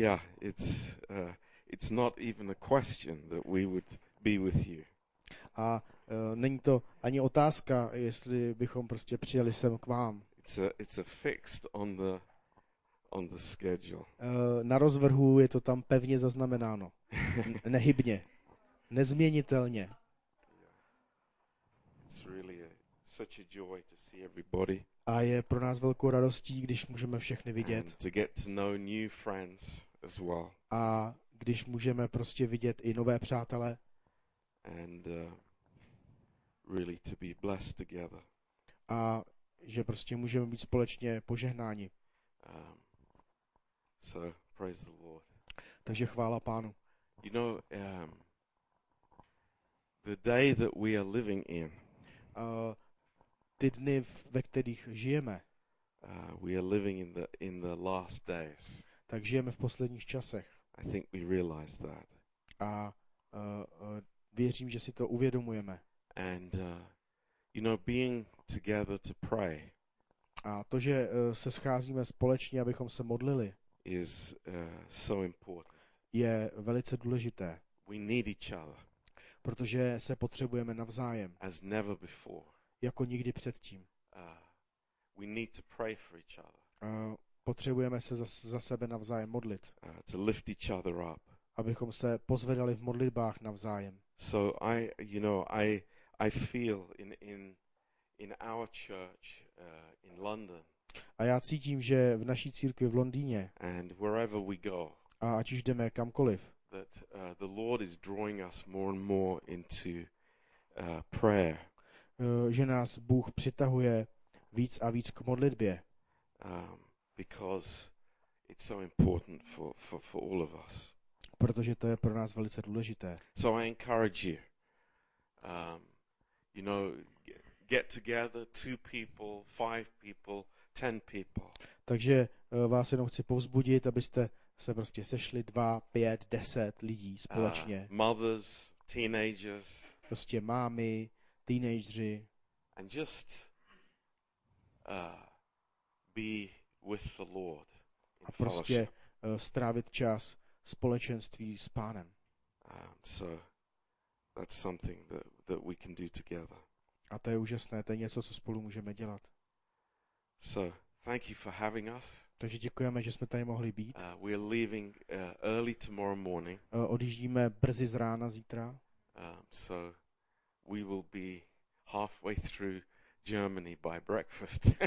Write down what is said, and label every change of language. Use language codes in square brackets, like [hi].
[en] Yeah, it's not even a question that we would be with you. [cs] A není to ani otázka, jestli bychom prostě přijeli sem k vám. [en] It's a fixed on the schedule. [cs] Na rozvrhu je to tam pevně zaznamenáno. Nehybně. Nezměnitelně. [en] It's really such a joy to see everybody. [cs] A je pro nás velkou radostí, když můžeme všechny vidět. [en] And to get to know new friends as well. [cs] A když můžeme prostě vidět i nové přátele. [en] And really to be blessed together. [cs] A že prostě můžeme být společně požehnáni. [en] So praise the Lord. [cs] Takže chvála Pánu. [en] You know, the day that we are living in. [cs] Ty dny, ve kterých žijeme. [en] We are living in the last days. [cs] Tak žijeme v posledních časech. [en] I think we realize that. [cs] A věřím, že si to uvědomujeme. [en] And you know, being together to pray. [cs] A to, že se scházíme společně, abychom se modlili. [en] Is so important. [cs] Je velice důležité. [en] We need each other. [cs] Protože se potřebujeme navzájem. [en] As never before. [cs] Jako nikdy předtím. [en] We need to pray for each other. [cs] Potřebujeme se za sebe navzájem modlit. [en] To lift each other up. [cs] Abychom se pozvedali v modlitbách navzájem. [en] So I, you know, I feel in our church in London. [cs] A já cítím, že v naší církvi v Londýně. [en] And wherever we go. [cs] A ať už jdeme kamkoliv. [en] That the Lord is drawing us more and more into prayer. [cs] Že nás Bůh přitahuje víc a víc k modlitbě. [en] Because it's so important for all of us. [cs] Protože to je pro nás velice důležité. [en] So I encourage you. You know, get together 2 people, 5 people, 10 people. [cs] Takže vás jenom chci povzbudit, abyste se prostě sešli 2, 5, 10 lidí společně. [en] Mothers, teenagers. [cs] Prostě mámy, teenageři. [en] And just be with the Lord. [cs] A prostě strávit čas společenství s Pánem. [en] So that's something that we can do together. [cs] A to je úžasné, to je něco, co spolu můžeme dělat. [en] So thank you for having us. [cs] Takže děkujeme, že jsme tady mohli být. [en] We are leaving early tomorrow morning. [cs] Odjíždíme brzy z rána zítra. [en] So we will be halfway through Germany by breakfast.